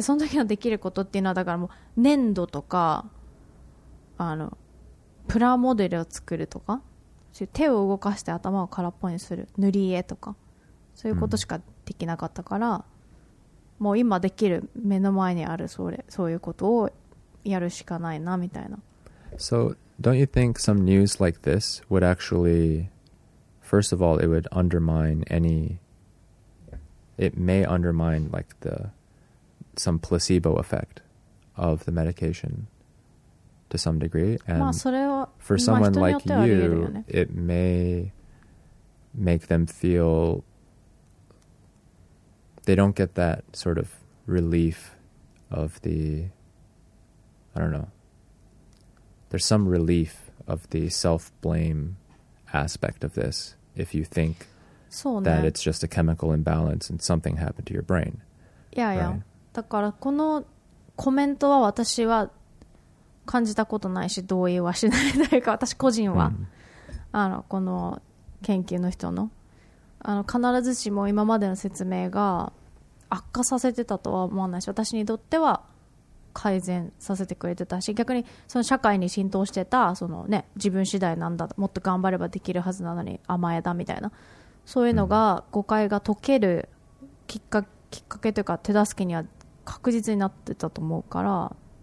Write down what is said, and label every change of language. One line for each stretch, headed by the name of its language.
Japanese: でその時のできることっていうのは、だからもう粘土とかプラモデルを作るとか、手を動かして頭を空っぽにする塗り絵とか、そういうことしかできなかったから、もう今できる目の前にあるそういうことをやるしかないなみたいな。
English: So don't you think some news like this would actually, first of all, it would undermine any, it may undermine like the some placebo effect of the medication to some degree, and for someone like you, it may make them feel they don't get that sort of relief of the, I don't know, there's some relief of the self-blame aspect of this if you think that it's just a chemical imbalance and something happened to your brain. Yeah, yeah.
Japanese: だからこのコメントは私は感じたことないし同意はしない。というか私個人は、この研究の人の、必ずしも今までの説明が悪化させてたとは思わないし、私にとっては改善させてくれてたし、逆にその社会に浸透してた、そのね、自分次第なんだ、もっと頑張ればできるはずなのに甘えだみたいな、そういうのが誤解が解けるきっかけというか手助けには確実になってたと思うから、